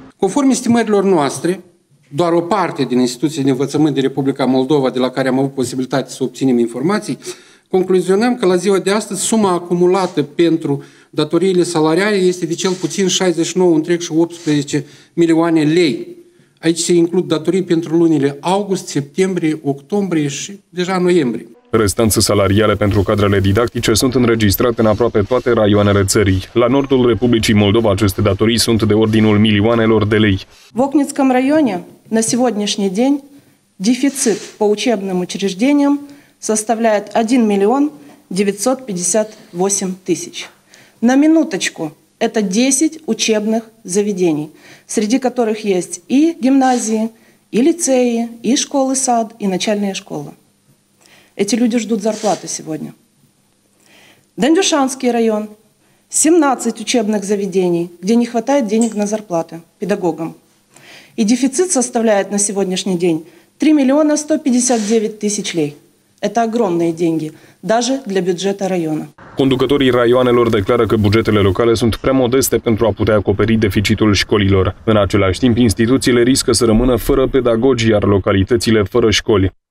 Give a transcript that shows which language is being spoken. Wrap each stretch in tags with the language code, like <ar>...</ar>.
<ro>Conform estimărilor noastre, doar o parte din instituțiile de învățământ din Republica Moldova, de la care am avut posibilitatea să obținem informații, concluzionăm că la ziua de astăzi suma acumulată pentru datoriile salariale este de cel puțin 69,18 milioane lei. Aici se includ datorii pentru lunile august, septembrie, octombrie și deja noiembrie. Restanțe salariale pentru cadrele didactice sunt înregistrate în aproape toate raioanele țării. La nordul Republicii Moldova aceste datorii sunt de ordinul milioanelor de lei.</ro> <ru>В Окницком районе на сегодняшний день дефицит по учебным учреждениям составляет 1 958 000. На минуточку, это 10 учебных заведений, среди которых есть и гимназии, и лицеи, и школы-сад, и начальные школы. Эти люди ждут зарплаты сегодня. Дендюшанский район, 17 учебных заведений, где не хватает денег на зарплаты педагогам. И дефицит составляет на сегодняшний день 3 159 000 лей. Это огромные деньги, даже для бюджета района.</ru> <ro>Conducătorii raioanelor declară că bugetele locale sunt prea modeste pentru a putea acoperi deficitul școlilor. În același timp, instituțiile riscă să rămână fără pedagogi, iar localitățile fără școli.</ro>